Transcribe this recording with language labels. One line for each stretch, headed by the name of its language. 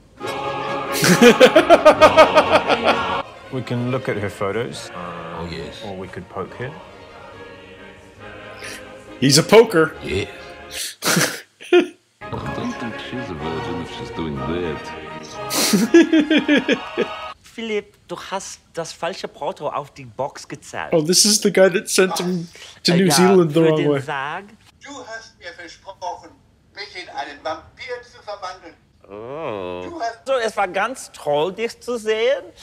English: We can look at her photos. Oh, yes. Or we could poke her. He's a poker. Yeah. I don't think she's a virgin if she's doing that.
German: Philipp, du hast das falsche Porto auf die Box gezahlt.
English: Oh, this is the guy that sent him to New Zealand the wrong way.
German: Sag. Du hast mir versprochen, mich in einen Vampir zu verwandeln. Oh. So, es war ganz toll, dich zu sehen.